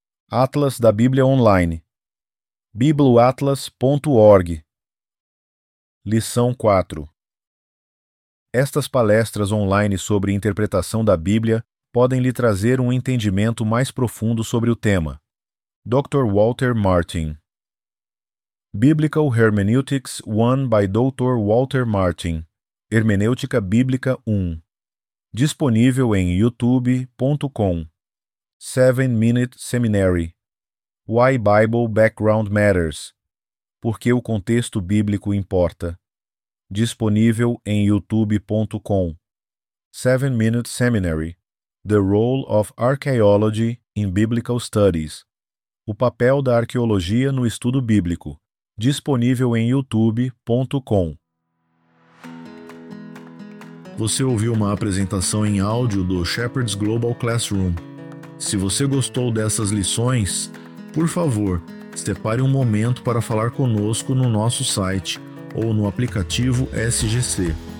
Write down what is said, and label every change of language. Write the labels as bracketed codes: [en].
[pt] Atlas da Bíblia Online, bibloatlas.org. Lição 4. Estas palestras online sobre interpretação da Bíblia podem lhe trazer um entendimento mais profundo sobre o tema. Dr. Walter Martin. [en] Biblical Hermeneutics 1 by Dr. [pt] Walter Martin. Hermenêutica Bíblica 1. Disponível em youtube.com. 7-Minute Seminary. [en] Why Bible Background Matters. [pt] Porque o contexto bíblico importa. Disponível em youtube.com. [en] 7-Minute Seminary. The Role of Archaeology in Biblical Studies. [pt] O papel da arqueologia no estudo bíblico. Disponível em youtube.com. Você ouviu uma apresentação em áudio do Shepherd's Global Classroom. Se você gostou dessas lições, por favor, separe um momento para falar conosco no nosso site ou no aplicativo SGC.